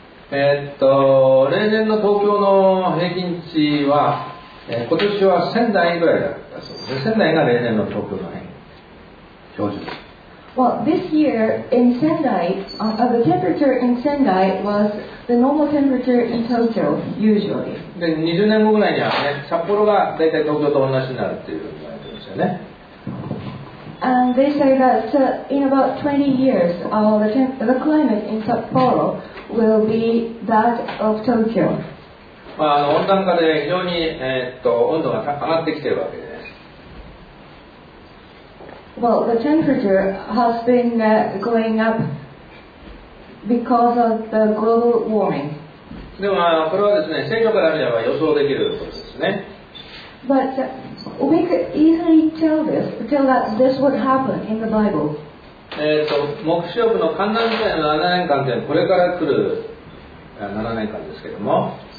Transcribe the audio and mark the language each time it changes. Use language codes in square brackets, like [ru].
[ja] 例年の東京の平均値は、今年は仙台ぐらいだ。仙台が例年の東京の標準です。 [en] Well, this year in Sendai, the temperature in Sendai was the normal temperature in Tokyo usually. [ja] で、20年後ぐらいにはね、札幌がだいたい東京と同じになるっていうふうに言われてますよね。 [en] And they say that in about 20 years, the climate in Sapporo will be that of Tokyo. [ja] まあ、温暖化で非常に、温度が上がってきてるわけです。 [en] Well, the temperature has been going up because of the global warming. [ja] でも、これはですね、聖書から見れば予想できることですね。 [en] But we could easily tell that this would happen in the Bible. [ja] 黙示録の寒暖差の7年間というのはこれから来る7年間ですけども。